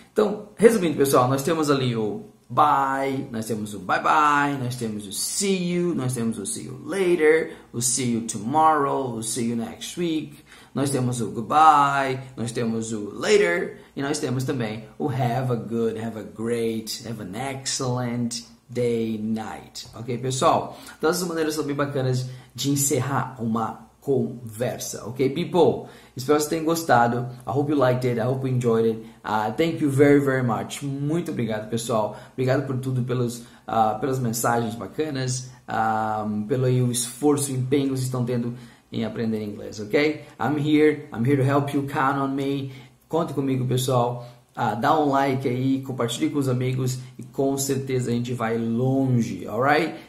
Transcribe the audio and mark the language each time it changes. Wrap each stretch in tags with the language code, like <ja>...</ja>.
<pt>Então, resumindo, pessoal, nós temos ali o bye, nós temos o bye-bye, nós temos o see you, nós temos o see you later, o see you tomorrow, o</pt> <en>see you next week,</en> <pt>nós temos o goodbye, nós temos o later, e nós temos também o</pt> <en>have a good, have a great, have an excellent day, night.</en> <pt>Ok, pessoal? Então, essas maneiras são bem bacanas de encerrar uma conversa, ok? People, espero que vocês tenham gostado.</pt> <en>I hope you liked it. I hope you enjoyed it. Thank you very, very much.</en> <pt>Muito obrigado, pessoal. Obrigado por tudo, pelas mensagens bacanas, pelo aí, o esforço, o empenho que vocês estão tendo em aprender inglês, ok?</pt> <en>I'm here to help you. Count on me.</en> <pt>Conte comigo, pessoal. Dá um like aí, compartilhe com os amigos e com certeza a gente vai longe, alright?</pt>